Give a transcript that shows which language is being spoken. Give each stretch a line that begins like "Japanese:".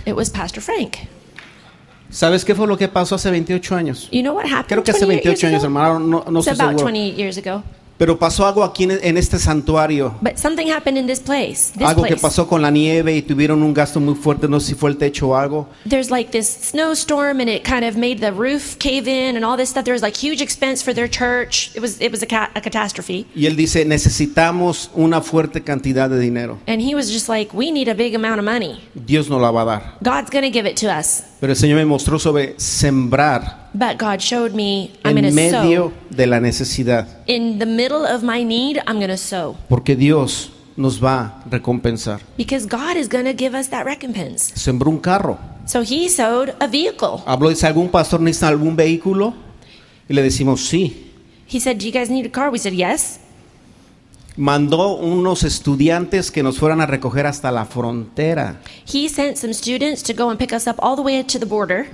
English: It was Pastor Frank.
Spanish: ¿Sabes qué fue lo que pasó hace 28 años?
English: You know what happened?
Spanish: Creo que hace 28 años, hermano, no sé.
English: About 28 years ago.
Spanish: Pero pasó algo aquí en este santuario.
English: But something happened in this place.
Spanish: Algo que pasó con la nieve y tuvieron un gasto muy fuerte, no sé si fue el techo o algo.
English: There's like this snowstorm and it kind of made the roof cave in and all this stuff. There was like huge expense for their church. It was a catastrophe.
Spanish: Y él dice, necesitamos una fuerte cantidad de dinero.
English: And he was just like, we need a big amount of money.
Spanish: Dios nos la va a dar.
English: God's going to give it to us.
Spanish: Pero el Señor me mostró sobre sembrar.
English: But God showed me
Spanish: en
English: I'm
Spanish: medio
English: sow.
Spanish: De la necesidad.
English: In the middle of my need, I'm going to sow.
Spanish: Porque Dios nos va a recompensar.
English: Because God is going to give us that recompense.
Spanish: Sembró un carro.
English: So he sowed a vehicle.
Spanish: Habló, dice, ¿algún pastor necesita algún vehículo? Y le decimos, sí.
English: He said, do you guys need a car? We said, yes.
Spanish: Mandó unos estudiantes que nos fueran a recoger hasta la frontera.
English: He sent some students to go and pick us up all the way to the border.